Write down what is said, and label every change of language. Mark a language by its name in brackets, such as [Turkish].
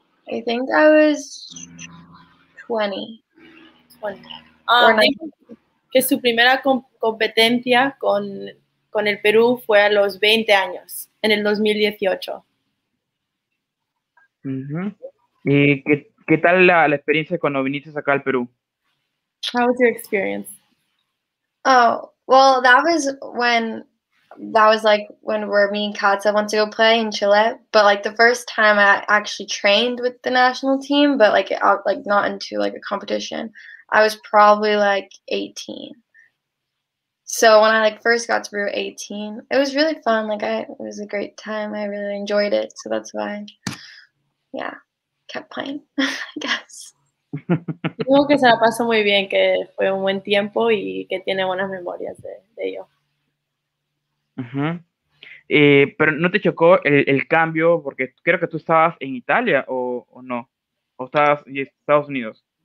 [English] I think I was 20 or 19. [Spanish] Que su primera competencia con el Perú fue a los 20 años, en el 2018. ¿Y qué tal la experiencia cuando viniste acá al Perú? [English] How was your experience? Oh, well, that was like when were me and Katza went to go play in Chile. But like the first time I actually trained with the national team, but like out like not into like a competition, I was probably like 18. So when I like first got to Rio 18, it was really fun. Like it was a great time. I really enjoyed it. So that's why, yeah, kept playing, I guess. [Spanish] Digo que se la pasó muy bien, que fue un buen tiempo y que tiene buenas memorias de ello. Pero no te chocó el cambio porque creo que tú estabas en Italia o no, o estabas en Estados Unidos.